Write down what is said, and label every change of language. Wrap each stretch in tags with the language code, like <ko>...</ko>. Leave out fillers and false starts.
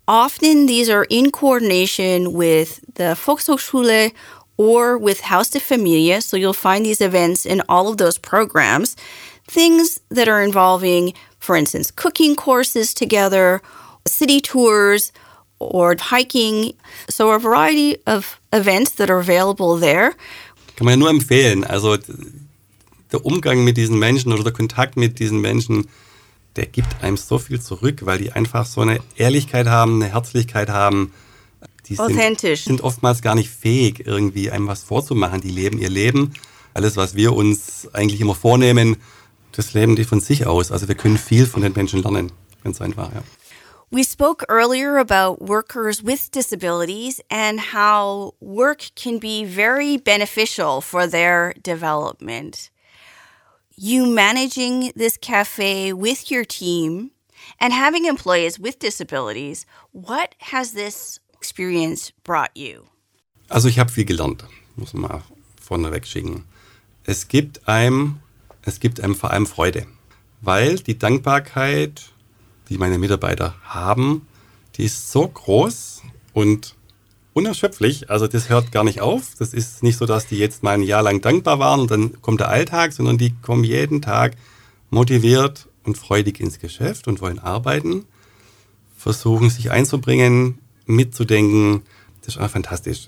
<en>Often these are in coordination with the Volkshochschule or with Haus der Familie, so you'll find these events in all of those programs. Things that are involving, for instance, cooking courses together, city tours, or hiking. So a variety of events that are available there.</en> <de>Kann man nur empfehlen. Also der Umgang mit diesen Menschen oder der Kontakt mit diesen Menschen, der gibt einem so viel zurück, weil die einfach so eine Ehrlichkeit haben, eine Herzlichkeit haben. Die authentisch. Sind oftmals gar nicht fähig, irgendwie einem was vorzumachen. Die leben ihr Leben. Alles, was wir uns eigentlich immer vornehmen, das leben die von sich aus. Also wir können viel von den Menschen lernen. Ganz einfach, ja.</de> <en>We spoke earlier about workers with disabilities and how work can be very beneficial for their development. You managing this cafe with your team and having employees with disabilities, what has this experience brought you?</en> <de>Also ich habe viel gelernt, muss man mal vorneweg schicken. Es gibt einem vor allem Freude, weil die Dankbarkeit, die meine Mitarbeiter haben, die ist so groß und unerschöpflich. Also das hört gar nicht auf. Das ist nicht so, dass die jetzt mal ein Jahr lang dankbar waren und dann kommt der Alltag, sondern die kommen jeden Tag motiviert und freudig ins Geschäft und wollen arbeiten, versuchen sich einzubringen, mitzudenken. Das ist einfach fantastisch.</de>